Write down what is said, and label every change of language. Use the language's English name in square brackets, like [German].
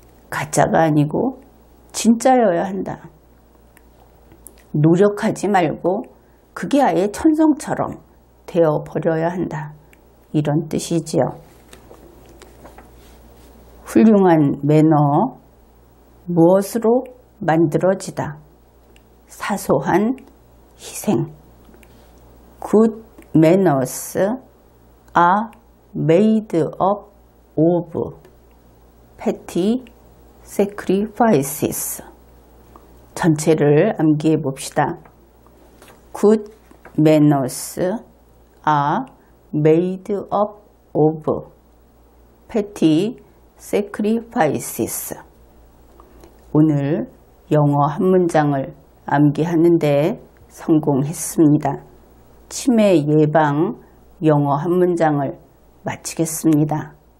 [Korean] 가짜가 아니고 진짜여야 한다. 노력하지 말고 그게 아예 천성처럼 되어버려야 한다. 이런 뜻이지요. 훌륭한 매너, 무엇으로 만들어지다. 사소한 희생. [English] Good manners are made up of petty sacrifices. [Korean] 전체를 암기해 봅시다. [English] Good manners are made up of petty sacrifices. [Korean] 오늘 영어 한 문장을 암기하는데 성공했습니다. 치매 예방 영어 한 문장을 마치겠습니다.